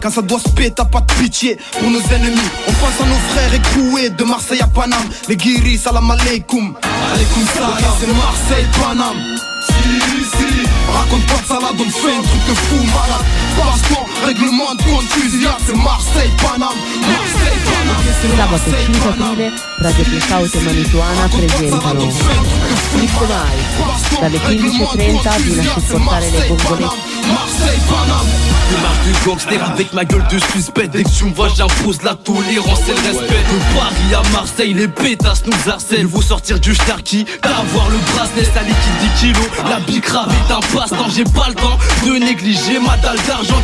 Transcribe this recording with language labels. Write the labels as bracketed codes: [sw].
[fr] Quand ça doit se péter, t'as pas de pitié pour nos ennemis. On pense à nos frères écroués de Marseille à Paname. Les guiri, [ar] salam alaikum. Alaikum salam. [fr] Ok, c'est Marseille, Paname. Si, si. Raconte pas de salade, on fait un truc de fou malade. Passe-toi, règlement de compte, fusillade. C'est Marseille, Paname. Marseille, Paname. Okay, c'est Marseille, Paname. [it] Sabato 5 aprile, Radio Blackout e Manituana presentano Flippo Live dalle 15.30 fino a supportare le bombole. [fr] Démarre du gangster avec ma gueule de suspect. Dès que tu me vois j'impose la tolérance et le respect. De Paris à Marseille, les pétasses nous harcèlent. Ils vont sortir du starkey, d'avoir le bracelet. Ça liquide 10 kilos, la bicrave est un passe-temps. J'ai pas le temps de négliger ma dalle d'argent.